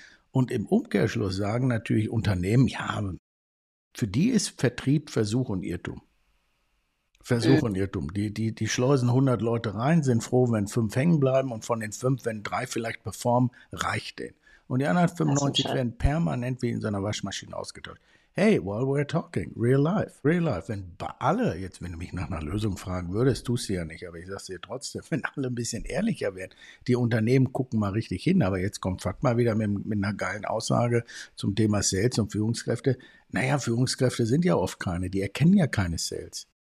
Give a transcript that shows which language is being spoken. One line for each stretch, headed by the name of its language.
German: Und im Umkehrschluss sagen natürlich Unternehmen, ja, für die ist Vertrieb Versuch und Irrtum. Versuch und Irrtum. Die schleusen 100 Leute rein, sind froh, wenn 5 hängen bleiben und von den 5, wenn 3 vielleicht performen, reicht denen. Und die anderen 95 werden permanent wie in so einer Waschmaschine ausgetauscht.
English: Hey, while we're talking, real life.
German: Wenn bei alle, jetzt wenn du mich nach einer Lösung fragen würdest, tust du ja nicht, aber ich sag's dir trotzdem, wenn alle ein bisschen ehrlicher werden, die Unternehmen gucken mal richtig hin, aber jetzt kommt Fakt mal wieder mit einer geilen Aussage zum Thema Sales und Führungskräfte. Naja, Führungskräfte sind ja oft keine, die erkennen ja keine Sales.